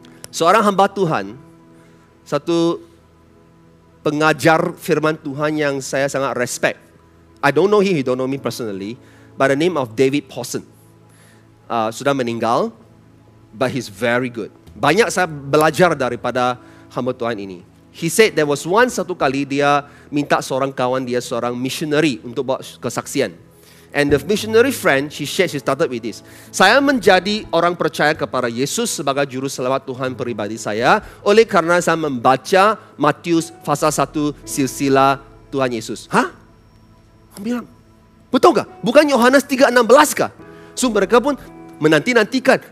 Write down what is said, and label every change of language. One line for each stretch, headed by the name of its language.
Malay: Seorang hamba Tuhan, satu pengajar firman Tuhan yang saya sangat respect.
English: I don't know him, you don't know me personally, by the name of David Pawson.
Malay: Sudah meninggal,
English: but he's very good.
Malay: Banyak saya belajar daripada hamba Tuhan ini.
English: He said there was one,
Malay: satu kali dia minta seorang kawan dia, seorang missionary untuk buat kesaksian.
English: And the missionary friend, she started with this.
Malay: Saya menjadi orang percaya kepada Yesus sebagai juru selamat Tuhan pribadi saya, oleh karena saya membaca Matius pasal 1 silsilah Tuhan Yesus. Bilang, betul gak? Bukan Yohanes 3:16 kah? So mereka pun menanti-nantikan.